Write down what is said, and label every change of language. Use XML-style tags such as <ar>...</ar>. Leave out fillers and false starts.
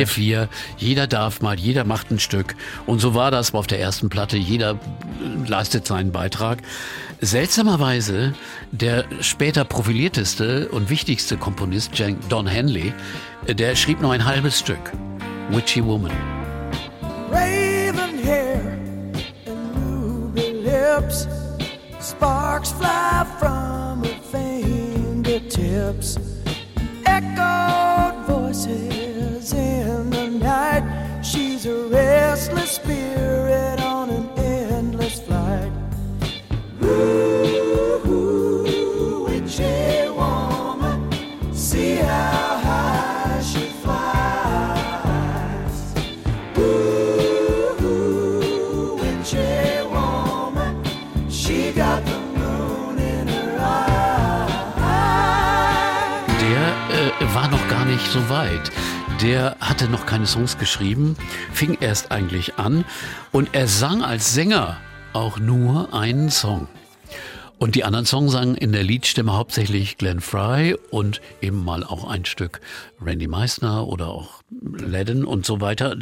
<de>Wir vier, jeder darf mal, jeder macht ein Stück. Und so war das auf der ersten Platte, jeder leistet seinen Beitrag. Seltsamerweise, der später profilierteste und wichtigste Komponist, Don Henley, der schrieb nur ein halbes Stück, Witchy Woman.</de> <en>Raven hair and ruby lips, sparks fly from her fingertips. Echoed voices in the night, she's a restless spirit on an endless flight. Ooh, witchy woman, see how high she flies. Ooh, witchy woman, she got the moon in her eyes.</en> <de>Der war noch gar nicht so weit. Der hatte noch keine Songs geschrieben, fing erst eigentlich an und er sang als Sänger auch nur einen Song. Und die anderen Songs sangen in der Leadstimme hauptsächlich Glenn Frey und eben mal auch ein Stück Randy Meisner oder auch Ledden und so weiter.</de>